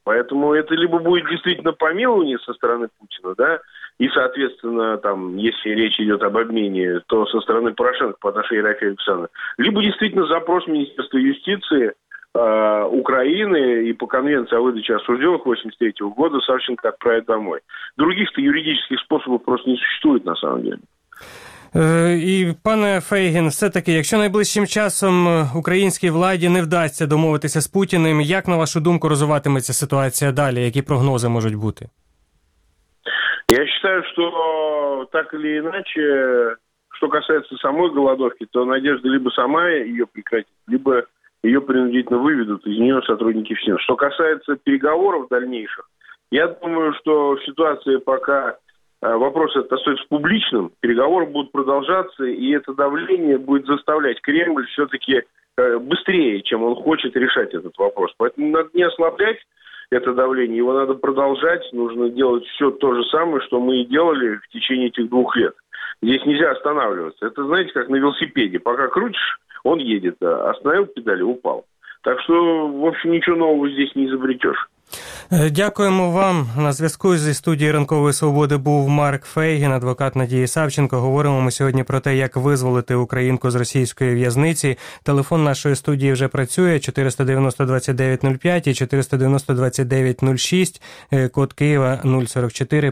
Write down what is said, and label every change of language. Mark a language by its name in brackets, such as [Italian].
[Russian] Поэтому это либо будет действительно помилование со стороны Путина, да, и, соответственно, там, если речь идет об обмене, то со стороны Порошенко по отношению Ерофея Александровича, либо действительно запрос Министерства юстиции Украины и по конвенции о выдаче осужденных 83-го года Савченко отправит домой. Других-то юридических способов просто не существует на самом деле. [Ukrainian] І, пане Фейгін, все-таки, якщо найближчим часом українській владі не вдасться домовитися з Путіним, як, на вашу думку, розвиватиметься ситуація далі? Які прогнози можуть бути? Я вважаю, що [Russian] так или іначе, що касається самої голодовки, то надежда либо сама її прекратить, либо ее принудительно выведут из нее сотрудники ФСИН. Что касается переговоров дальнейших, я думаю, что в ситуации, пока вопрос этот остается публичным, переговоры будут продолжаться, и это давление будет заставлять Кремль все-таки быстрее, чем он хочет решать этот вопрос. Поэтому надо не ослаблять это давление, его надо продолжать, нужно делать все то же самое, что мы и делали в течение этих двух лет. Здесь нельзя останавливаться. Это, знаете, как на велосипеде. Пока крутишь, он едет, остановил педали, упал. Так что, в общем, ничего нового здесь не изобретешь. [Ukrainian] Дякуємо вам. На зв'язку зі студією «Ранкової свободи» був Марк Фейгін, адвокат Надії Савченко. Говоримо ми сьогодні про те, як визволити українку з російської в'язниці. Телефон нашої студії вже працює 490-29-05 і 490-29-06, код Києва 044.